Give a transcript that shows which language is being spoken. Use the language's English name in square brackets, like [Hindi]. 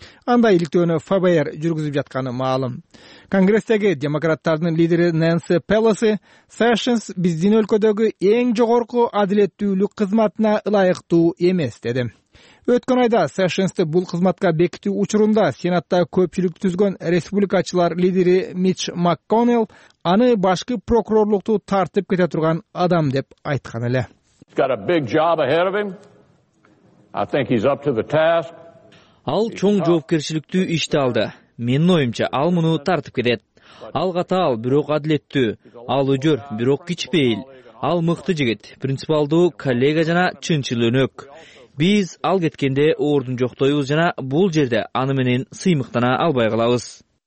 [Kyrgyz] Андай иликтөөнү ФБР жүргүзүп жатканы маалым. Конгресстеги демократтардын лидери Нэнси Пелоси Сэшенс биздин өлкөдөгү эң жогорку адилеттүүлүк кызматына ылайыктуу эмес деди. Өткөн айда Сэшенсти бул кызматка бекитүү учурунда Сенатта көпчүлүк түзгөн республикачылар лидери Митч МакКоннелл аны башкы прокурорлукту тартып кете турган адам деп айткан эле. [English] He's got a big job ahead of him. I think he's up to the task. [Kyrgyz] Ал чоң жоопкерчиликтүү иште алды. Менин оюмча ал муну тартып кетет. Ал катаал, бирок адилеттүү. Ал өжөр, бирок кичпейил. Ал мыкты жигит, принципалдуу коллега жана чынчыл өнөк. Биз ал кеткенде ордун жоктойбуз жана бул жерде аны менен сыймыктана албай калабыз.